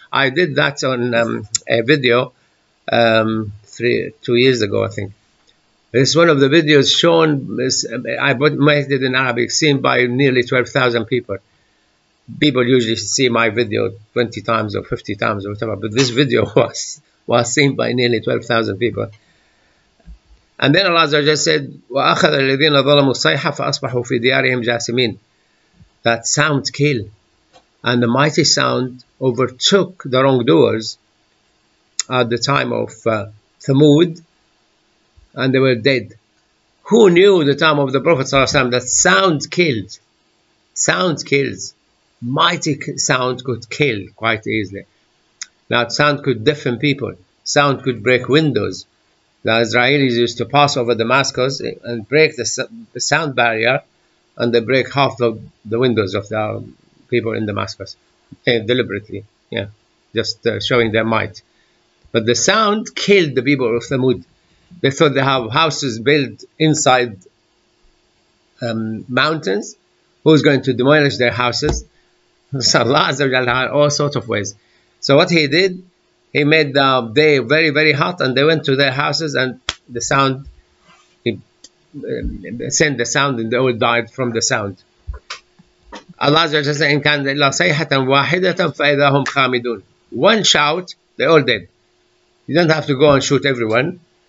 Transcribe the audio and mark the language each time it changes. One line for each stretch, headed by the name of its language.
English: I did that on a video 2 years ago, I think. It's one of the videos shown, I made it in Arabic, seen by nearly 12,000 people. People usually see my video 20 times or 50 times or whatever, but this video was seen by nearly 12,000 people. And then Allah just said,
Arabic: وَأَخَذَ الَّذِينَ ظَلَمُوا الصَّيْحَةَ فَأَصْبَحُوا فِي دِيَارِهِمْ جَاسِمِينَ.
English: That sound killed. And the mighty sound overtook the wrongdoers at the time of Thamud, and they were dead. Who knew the time of the Prophet ﷺ that sound killed? Sound kills. Mighty sound could kill quite easily. Now, sound could deafen people. Sound could break windows. The Israelis used to pass over Damascus and break the sound barrier, and they break half the windows of the people in Damascus, deliberately, showing their might. But the sound killed the people of Thamud. They thought they have houses built inside mountains. Who's going to demolish their houses? So Allah Azza wa Jalla had all sorts of ways. So what he did, he made the day very, very hot, and they went to their houses, and the sound, he sent the sound, and they all died from the sound.
Arabic: Allah Azza wa Jalla said, إِنْ كَانَ إِلَّا صَيْحَةً وَاحِدَةً فَإِذَا هُمْ خَامِدُونَ.
English: One shout, they're all dead. You don't have to go and shoot everyone.